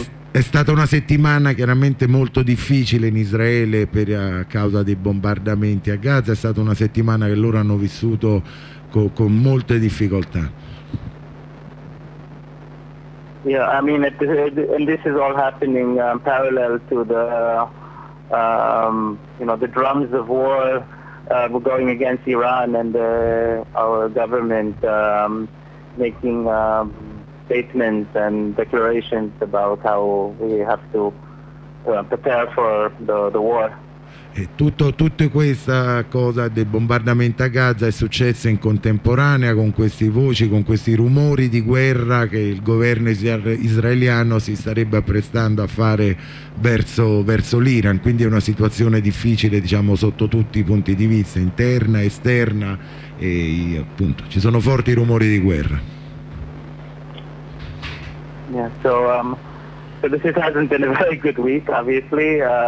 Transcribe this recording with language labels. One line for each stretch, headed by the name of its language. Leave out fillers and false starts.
Italian: È stata una settimana chiaramente molto difficile in Israele per a causa dei bombardamenti a Gaza. È stata una settimana che loro hanno vissuto con molte difficoltà.
English: Yeah, I mean, and this is all happening parallel to the the drums of war going against Iran and our government making statements and declarations about how we have to prepare for the war.
Italian: E tutta questa cosa del bombardamento a Gaza è successa in contemporanea con queste voci, con questi rumori di guerra che il governo israeliano si starebbe apprestando a fare verso l'Iran. Quindi è una situazione difficile, diciamo, sotto tutti i punti di vista, interna, esterna, e appunto ci sono forti rumori di guerra.
English: Yeah, so this hasn't been a very good week, obviously.